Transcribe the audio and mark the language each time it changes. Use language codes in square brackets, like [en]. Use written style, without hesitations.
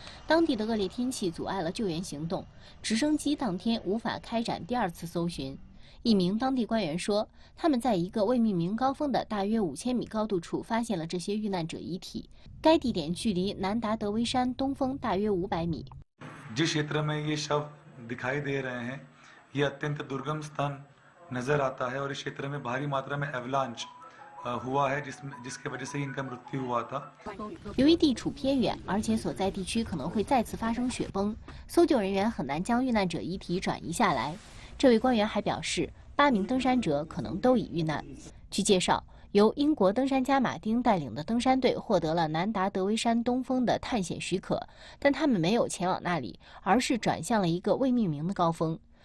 [zh] 当地的恶劣天气阻碍了救援行动，直升机当天无法开展第二次搜寻。一名当地官员说，他们在一个未命名高峰的大约5000米高度处发现了这些遇难者遗体。该地点距离南达德维山东峰大约500米。 [hi] जिस क्षेत्र में ये शव दिखाई दे रहे हैं, ये अत्यंत दुर्गम स्थान नजर आता है और इस क्षेत्र में भारी मात्रा में एवलांच हुआ है, जिसके वजह से इनका मृत्यु हुआ था। [zh] 由于地处偏远，而且所在地区可能会再次发生雪崩，搜救人员很难将遇难者遗体转移下来。这位官员还表示，8名登山者可能都已遇难。据介绍，由英国登山家马丁带领的登山队获得了南达德维山东峰的探险许可，但他们没有前往那里，而是转向了一个未命名的高峰。